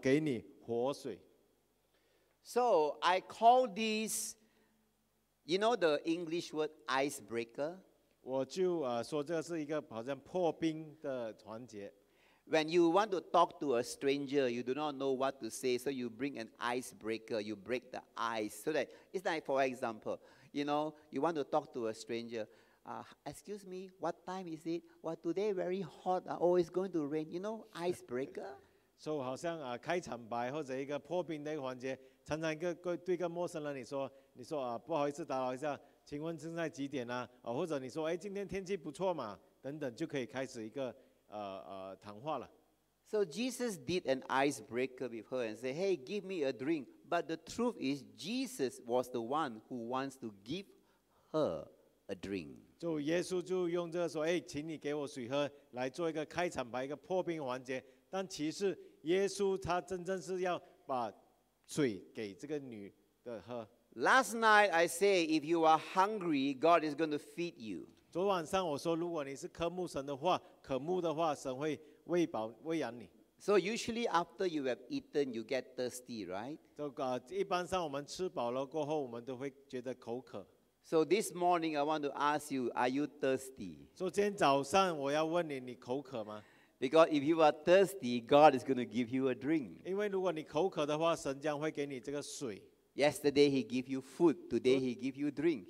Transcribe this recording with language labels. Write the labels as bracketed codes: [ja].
[zh] 和对你说给我水喝的是谁，你必早求他，他也必早给你活水。So [en] I call this, you know, the English word icebreaker. [zh] 我就说这是一个好像破冰的环节。When [en] you want to talk to a stranger, you do not know what to say, so you bring an icebreaker. You break the ice so that it's like, for example, you know, you want to talk to a stranger. Excuse me, what time is it? Well, today very hot. Oh, it's going to rain. You know, icebreaker. [zh] So, 好像开场白或者一个破冰的环节，常常一个对一个陌生人，你说不好意思打扰一下，请问现在几点呢？或者你说，哎，今天天气不错嘛，等等，就可以开始一个谈话了。 [en] So Jesus did an icebreaker with her and said, hey, give me a drink. But the truth is, Jesus was the one who wants to give her a drink. [zh] 就耶稣就用这个说，哎，请你给我水喝，来做一个开场白，一个破冰环节。但其实耶稣他真正是要把水给这个女的喝。 [en] Last night I say, if you are hungry, God is going to feed you. [zh] 昨晚上我说，如果你是渴慕神的话，渴慕的话，神会喂饱喂养你。 [en] So usually after you have eaten, you get thirsty, right? [zh] 一般上我们吃饱了过后，我们都会觉得口渴。 [en] So this morning I want to ask you, are you thirsty? [zh] 今天早上我要问你，你口渴吗？ [en] Because if you are thirsty, God is going to give you a drink. [zh] 因为如果你口渴的话，神将会给你这个水。 [en] Yesterday he gave you food, today he gave you drink.